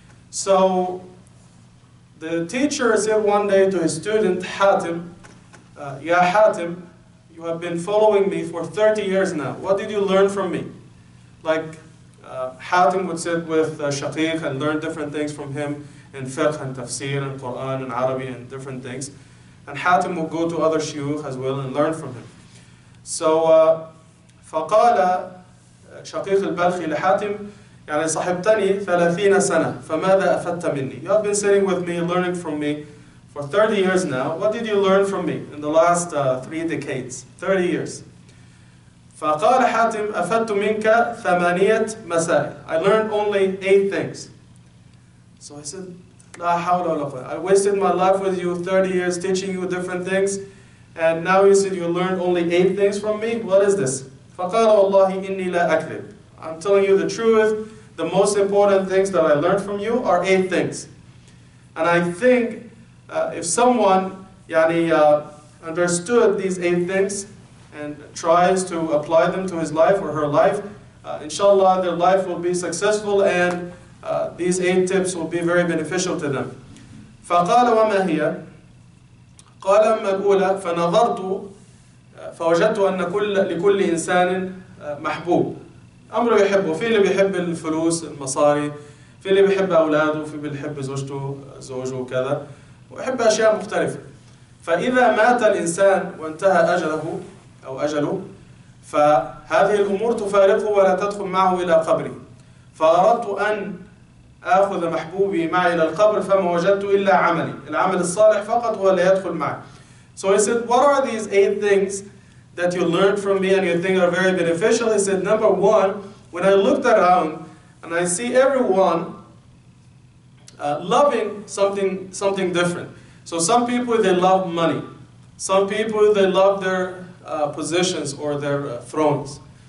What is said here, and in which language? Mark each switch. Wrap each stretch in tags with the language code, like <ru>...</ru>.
<en>So the teacher said one day to his student, Hatim, Ya Hatim, you have been following me for 30 years now. What did you learn from me? Like Hatim would sit with Shaqiq and learn different things from him in fiqh and tafsir and Quran and Arabic and different things. And Hatim would go to other shuyukh as well and learn from him. So,</en> <ar>فقال شقيق البلخي لحاتم يعني صاحبتني 30 سنة فماذا أفدت مني.</ar> <en>You have been sitting with me, learning from me for 30 years now. What did you learn from me in the last three decades? 30 years.</en> <ar>فقال حاتم أفدت منك ثمانية مسائل.</ar> <en>I learned only 8 things. So I said,</en> <ar>لا حول ولا قوة.</ar> <en>I wasted my life with you 30 years teaching you different things, and now you said you learned only 8 things from me. What is this?</en> <ar>فقال والله إني لا أكذب.</ar> <en>I'm telling you the truth. The most important things that I learned from you are 8 things. And I think if someone</en> <ar>يعني,</ar> <en>understood these 8 things and tries to apply them to his life or her life, inshallah their life will be successful and these 8 tips will be very beneficial to them.</en> <ar>فقال وما هي؟ قال أما الأولى فنظرت فوجدت أن لكل إنسان محبوب أمره يحبه. في اللي بيحب الفلوس المصاري, في اللي بيحب أولاده, في اللي بيحب زوجته زوجه وكذا, ويحب أشياء مختلفة. فإذا مات الإنسان وانتهى أجله أو أجله فهذه الأمور تفارقه ولا تدخل معه إلى قبره. فأردت أن أخذ محبوبي معي إلى القبر فما وجدت إلا عملي, العمل الصالح فقط هو اللي يدخل معي.</ar> <en>So he said, what are these 8 things that you learned from me and you think are very beneficial? He said, number one, when I looked around and I see everyone loving something different. So some people, they love money. Some people, they love their positions or their thrones.</en>